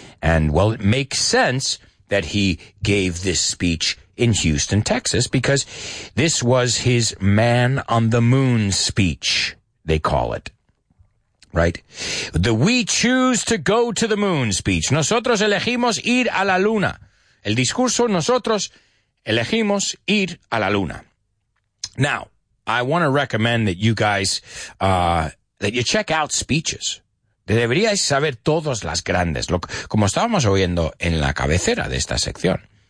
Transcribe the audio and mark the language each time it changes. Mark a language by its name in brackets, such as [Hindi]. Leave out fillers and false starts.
[English] And, well, it makes sense that he gave this speech in Houston, Texas, because this was his man on the moon speech, they call it, right? The we choose to go to the moon speech. [Spanish] Nosotros elegimos ir a la luna. El discurso, nosotros elegimos ir a la luna. [English] Now, I want to recommend that you guys, that you check out speeches. [Spanish] Deberíais saber todos las grandes. Lo, como estábamos oyendo en la cabecera de esta sección.